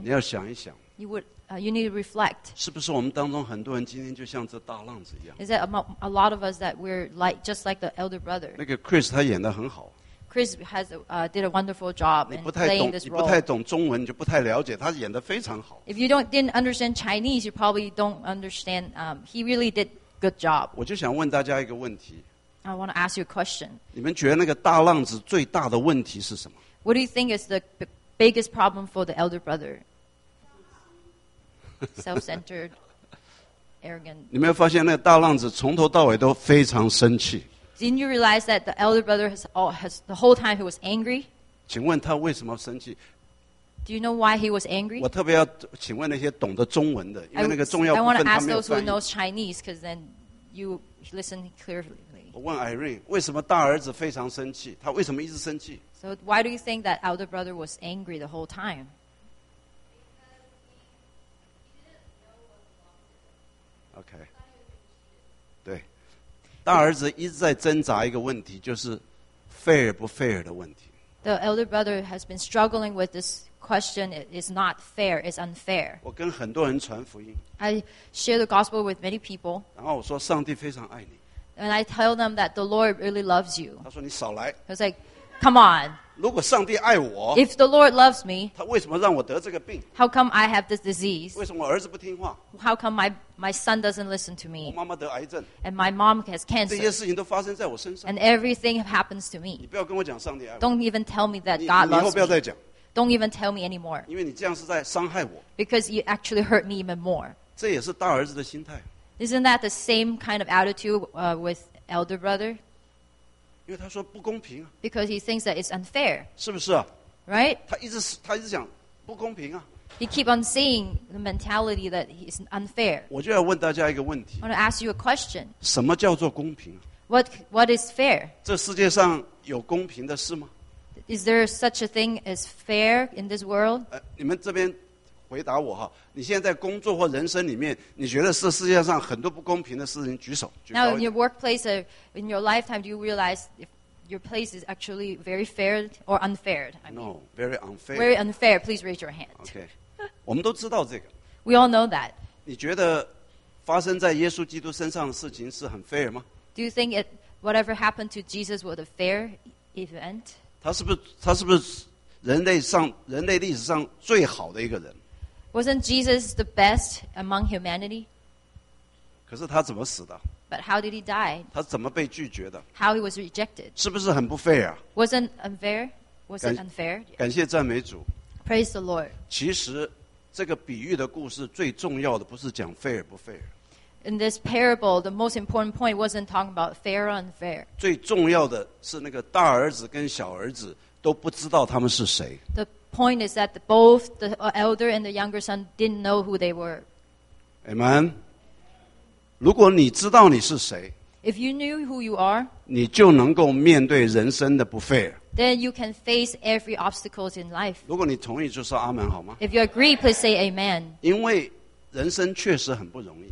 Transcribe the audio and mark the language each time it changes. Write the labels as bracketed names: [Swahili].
[Chinese] 你要想一想, [English] you need to reflect. [Chinese] 是不是我们当中很多人今天就像这大浪子一样? [English] Is that a lot of us that we're like, just like the elder brother? [Chinese] 那个 Chris 他演得很好。 [English] Chris has, did a wonderful job in playing this role. [Chinese] 你不太懂中文,你就不太了解,他演得非常好。 [English] If you didn't understand Chinese, you probably don't understand, he really did a good job. [Chinese] 我就想问大家一个问题。 [English] I want to ask you a question. [Chinese] 你们觉得那个大浪子最大的问题是什么? [English] What do you think is the biggest problem for the elder brother? Self-centered, arrogant. [Chinese] 你没有发现那个大浪子从头到尾都非常生气? [English] Didn't you realize that the elder brother has the whole time he was angry? [Chinese] 请问他为什么生气? [English] Do you know why he was angry? [Chinese] 我特别要请问那些懂得中文的，因为那个重要部分他没有翻译。 [English] I want to ask those who knows Chinese, because then you listen clearly. [Chinese] 我问 Irene 为什么大儿子非常生气他为什么一直生气 [English] So why do you think that elder brother was angry the whole time? [Chinese] Okay 对大儿子一直在挣扎一个问题就是 fair 不 fair 的问题 [English] The elder brother has been struggling with this question is not fair, it's unfair. [Chinese] 我跟很多人传福音 [English] I share the gospel with many people [Chinese] 然后我说上帝非常爱你 [English] And I tell them that the Lord really loves you. [Chinese] 他说你少来。 [English] I was like, come on. [Chinese] 如果上帝爱我。 [English] If the Lord loves me. [Chinese] 他为什么让我得这个病? [English] How come I have this disease? [Chinese] 为什么我儿子不听话? [English] How come my son doesn't listen to me? [Chinese] 我妈妈得癌症。 [English] And my mom has cancer. [Chinese] 这些事情都发生在我身上。 [English] And everything happens to me. [Chinese] 你不要跟我讲上帝爱我。 [English] Don't even tell me that God loves me. [Chinese] 你以后不要再讲。 [English] Don't even tell me anymore. [Chinese] 因为你这样是在伤害我。 [English] Because you actually hurt me even more. [Chinese] 这也是大儿子的心态。 [English] Isn't that the same kind of attitude with elder brother? [Chinese] 因为他说不公平啊。 [English] Because he thinks that it's unfair. [Chinese] 是不是啊? [English] Right? [Chinese] 他一直讲不公平啊。 [English] He keep on saying the mentality that it's unfair. [Chinese] 我就要问大家一个问题。 [English] I want to ask you a question. [Chinese] 什么叫做公平啊? [English] What is fair? [Chinese] 这世界上有公平的事吗? [English] Is there such a thing as fair in this world? [Chinese] 你们这边回答我哈，你现在在工作或人生里面，你觉得是世界上很多不公平的事情，举手。 [English] Now in your workplace, in your lifetime, do you realize if your place is actually very fair or unfair? No, very unfair. Very unfair. Please raise your hand. [Chinese] Okay, 我们都知道这个。 [English] We all know that. [Chinese] 你觉得发生在耶稣基督身上的事情是很 fair 吗？ [English] Do you think it, whatever happened to Jesus was a fair event? [Chinese] 他是不是人类历史上最好的一个人？ [English] Wasn't Jesus the best among humanity? [Chinese] 可是他怎么死的？ [English] But how did he die? [Chinese] 他怎么被拒绝的？ [English] How he was rejected? [Chinese] 是不是很不 fair 啊？ [English] Wasn't unfair? Was it unfair? [Chinese] 感谢赞美主。 [English] Praise the Lord. [Chinese] 其实这个比喻的故事最重要的不是讲 fair 不 fair。 [English] In this parable, the most important point wasn't talking about fair or unfair. [Chinese] 最重要的是那个大儿子跟小儿子都不知道他们是谁。 [English] The point is that both the elder and the younger son didn't know who they were. [Chinese] Amen. 如果你知道你是谁， [English] If you knew who you are, [Chinese] 你就能够面对人生的不 fair. [English] Then you can face every obstacles in life. [Chinese] 如果你同意就说阿们好吗？ [English] If you agree, please say amen. [Chinese] 因为人生确实很不容易。